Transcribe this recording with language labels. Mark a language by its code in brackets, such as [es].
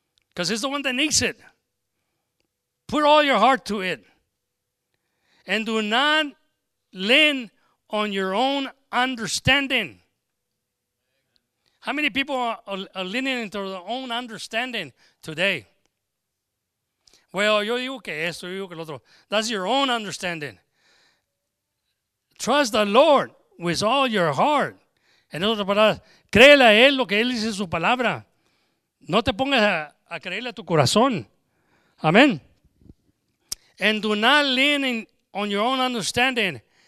[en] Because it's the one that needs it. Put all your heart to it. And do not lean on your own understanding. How many people are leaning into their own understanding today? [es] Well, yo digo que esto, yo digo que lo otro. [en] That's your own understanding. Trust the Lord with all your heart. [es] En otras palabras, créele a Él lo que Él dice en su palabra. No te pongas a creerle a tu corazón. Amén. [en] And do not lean on your own understanding.